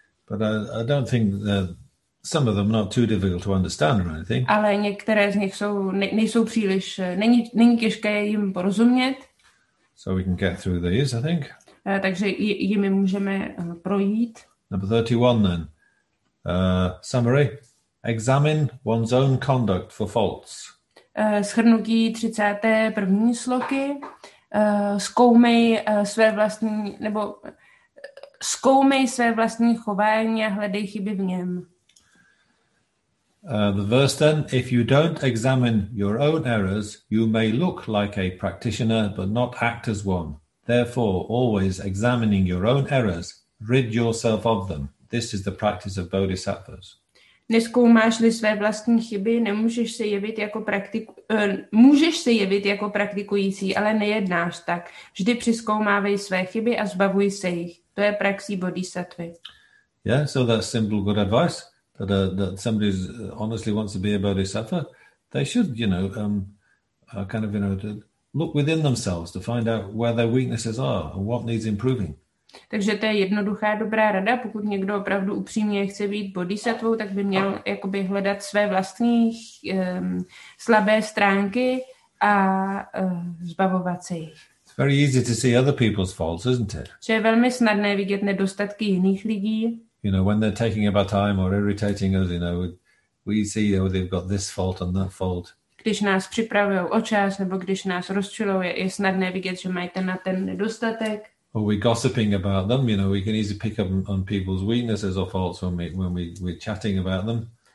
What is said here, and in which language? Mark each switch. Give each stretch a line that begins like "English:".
English: But I don't think some of them not too difficult to understand or anything.
Czech: Ale některé z nich nejsou příliš, není těžké jim porozumět.
English: So we can get through these, I think.
Czech: Takže jimi můžeme projít.
English: Number 31 then. Summary. Examine one's own conduct for faults.
Czech: Shrnutí 31. sloky. Zkoumej své vlastní, nebo... Zkoumej své vlastní chování a hledej chyby v něm.
English: The verse then, if you don't examine your own errors, you may look like a practitioner, but not act as one. Therefore, always examining your own errors, rid yourself of them. This is the practice of bodhisattvas.
Czech: Neskoumáš-li své vlastní chyby, nemůžeš se jevit jako můžeš se jevit jako praktikující, ale nejednáš tak. Vždy přizkoumávej své chyby a zbavuj se jich. To je praxí bodhisattvy.
English: Yeah, so that's simple good advice. That somebody honestly wants to be a bodhisattva, they should, you know, kind of, you know, to look within themselves to find out where their weaknesses are and what needs improving.
Czech: Takže to je jednoduchá dobrá rada, pokud někdo opravdu upřímně chce být bodhisattvou, tak by měl jakoby hledat své vlastní slabé stránky a zbavovat se jich.
English: Very easy to see other people's faults, isn't it?
Czech: Že je velmi snadné vidět nedostatky jiných lidí.
English: You know, when they're taking up our time or irritating us, you know, we see that they've got this fault and that fault.
Czech: Když nás připravují o čas, nebo když nás rozčilují, je snadné vidět, že mají na ten nedostatek.
English: Or we're gossiping about them, you know, we can easily pick up on people's weaknesses or faults when we're chatting about them.